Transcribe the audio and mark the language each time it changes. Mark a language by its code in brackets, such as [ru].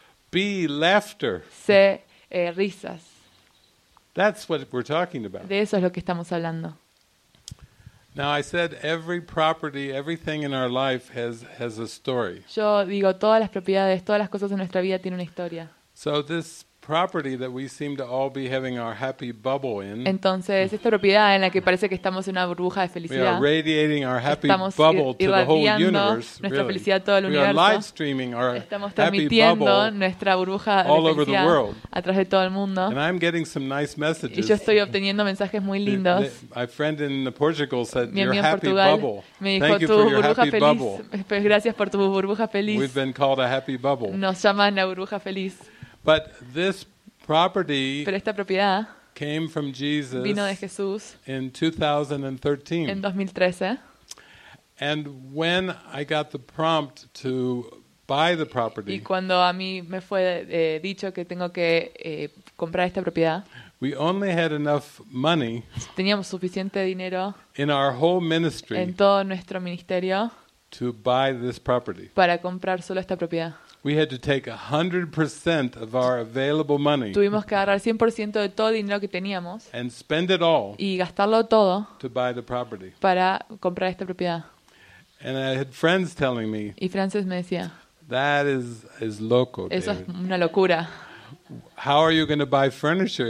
[en] Be laughter. [es] Sé risas. [en] That's what we're talking about. [es] De eso es lo que estamos hablando. [en] Now I said every property, everything in our life has a story. [es] Yo digo todas las propiedades, todas las cosas en nuestra vida tienen una historia. [en] So this property that we seem to all be having our happy bubble in. [es] Entonces esta propiedad en la que parece que estamos en una burbuja de felicidad. [en] We are radiating our happy bubble to the whole universe. [es] Nuestra felicidad a todo el universo. [en] We are live streaming our happy bubble all over the world. [es] A través de todo el mundo. [en] And I'm getting some nice messages. [es] Y yo estoy obteniendo mensajes muy lindos. [en] My friend in Portugal said your happy bubble. Thank you for your [es] burbuja feliz. Gracias por tu burbuja feliz. [en] We've been called a happy bubble. [es] Nos llaman la burbuja feliz. [en] But this property [es] pero esta propiedad [en] came from Jesus [es] vino de Jesús [en] in 2013. [es] En 2013. [en] And when I got the prompt to buy the property, [es] y cuando a mí me fue dicho que tengo que comprar esta propiedad, [en] we only had enough money [es] teníamos suficiente dinero [en] in our whole ministry [es] en todo nuestro ministerio [en] to buy this property. [es] Para comprar solo esta propiedad. [en] We had to take 100% of our available money. [es] Tuvimos que agarrar 100% de todo el dinero que teníamos. [en] And spend it all. [es] Y gastarlo todo. [en] To buy the property. [es] Para comprar esta propiedad. [en] And I had friends telling me. [es] Y Frances me decía. [en] That is loco. [es] Eso es una locura. [en] How are you going to buy furniture?